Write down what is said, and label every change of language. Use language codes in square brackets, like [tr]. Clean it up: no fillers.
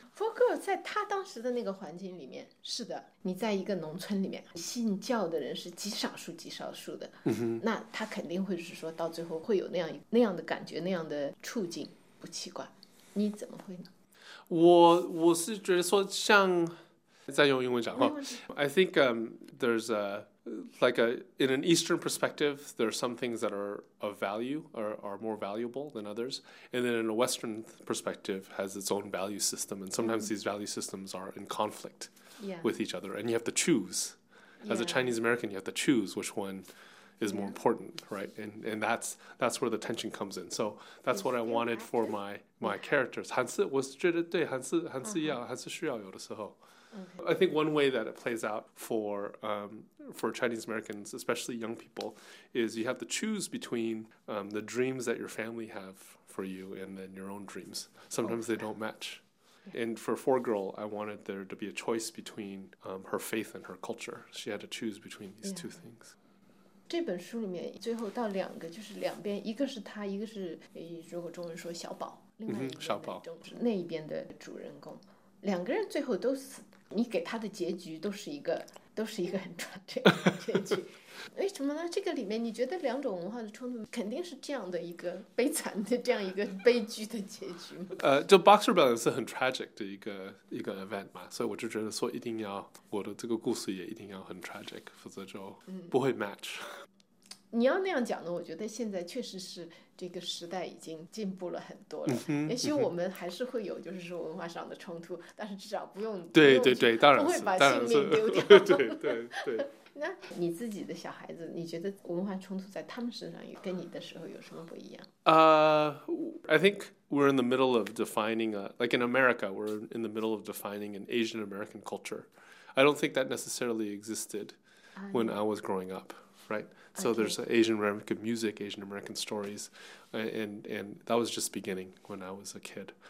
[zh] 不过在他当时的那个环境里面，是的，你在一个农村里面，信教的人是极少数极少数的，那他肯定会是说到最后会有那样的感觉，那样的处境，不奇怪。你怎么会呢？我是觉得说像再用英文讲话， [en] I think there's a like a, in an Eastern perspective, there are some things that are of value or are more valuable than others. And then in a Western perspective has its own value system. And sometimes these value systems are in conflict with each other. And you have to choose. As a Chinese American, you have to choose which one is more important, right? And that's where the tension comes in. So that's what I wanted for my characters. [zh] 还是我是觉得对，还是需要有的时候。 [en] Okay. I think one way that it plays out for Chinese Americans, especially young people, is you have to choose between the dreams that your family have for you and then your own dreams. Sometimes they don't match. Yeah. And for Four Girl, I wanted there to be a choice between her faith and her culture. She had to choose between these two things. [zh] 这本书里面最后到两个，就是两边，一个是他，一个是如果中文说小宝，另外一个小宝，那一边的主人公。两个人最后都死，你给他的结局都是一个很转折的结局，为什么呢？这个里面你觉得两种文化的冲突肯定是这样的一个悲惨的这样一个悲剧的结局吗？就 Boxer Rebellion 是很 tragic 的一个 event 嘛，所以我就觉得说一定要我的这个故事也一定要很 tragic， 否则就不会 match。你要那样讲的，我觉得现在确实是这个时代已经进步了很多了。也许我们还是会有就是说文化上的冲突，但是至少不用对对对，当然不会把性命丢掉。对。那你自己的小孩子，你觉得文化冲突在他们身上跟你的时候有什么不一样？ [en] I think we're in the middle of defining like in America, we're in the middle of defining an Asian American culture. I don't think that necessarily existed when I was growing up, right? So there's Asian American music, Asian American stories, and that was just beginning when I was a kid.